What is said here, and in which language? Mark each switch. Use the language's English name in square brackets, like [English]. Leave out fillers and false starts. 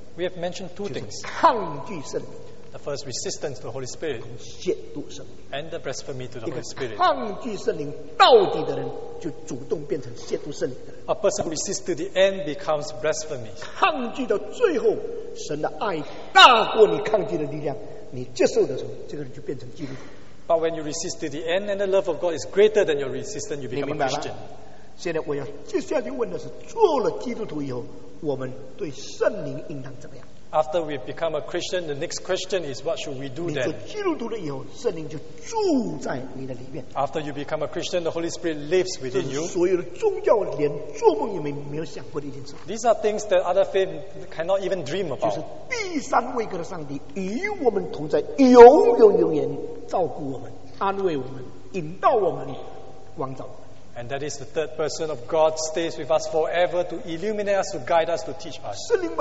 [English] we have mentioned two things. [Chinese] 抗拒圣灵, [English] the first, resistance to the Holy Spirit, [Chinese] 亵渎圣灵, [English] and the blasphemy to the Holy Spirit. [Chinese] 抗拒圣灵到底的人, 就主动变成亵渎圣灵的人, [English] a person who resists to the end becomes blasphemy. [Chinese] 抗拒到最后, 神的爱大过你抗拒的力量, 你接受的时候, 这个人就变成基督徒。 [English] But when you resist to the end and the love of God is greater than your resistance, you become a Christian. [Chinese] 现在我要接下去问的是, 做了基督徒以后, 我们对圣灵应当怎么样? [English] After we become a Christian, the next question is, what should we do then? [Chinese] 你做基督徒了以后, 圣灵就住在你的里面。 [English] After you become a Christian, the Holy Spirit lives within you. [Chinese] 这是所有的宗教连做梦也没有想过的一件事。 [English] These are things that other faith cannot even dream about. [Chinese] 就是第三位格的上帝与我们同在, 永永永远照顾我们, 安慰我们, 引导我们, 光照我们。 [English] And that is the third person of God stays with us forever to illuminate us, to guide us, to teach us.